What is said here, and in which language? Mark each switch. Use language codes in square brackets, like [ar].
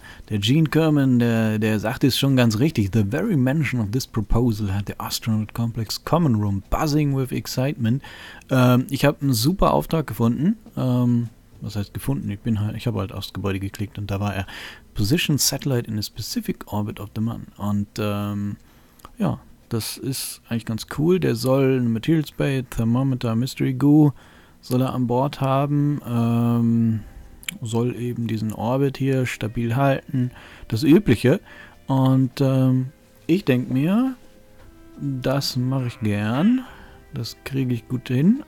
[de] Der Gene Kerman, der sagt es schon ganz richtig. [en] The very mention of this proposal had the astronaut complex common room buzzing with excitement. [de] Ich habe einen super Auftrag gefunden. Was heißt gefunden? Ich habe halt aufs Gebäude geklickt und da war er. [en] Position satellite in a specific orbit of the moon. [de] Und ja, das ist eigentlich ganz cool. Der soll ein Material Bay, Thermometer, Mystery Goo soll er an Bord haben, soll eben diesen Orbit hier stabil halten, das Übliche. Und ich denke mir, das mache ich gern, das kriege ich gut hin.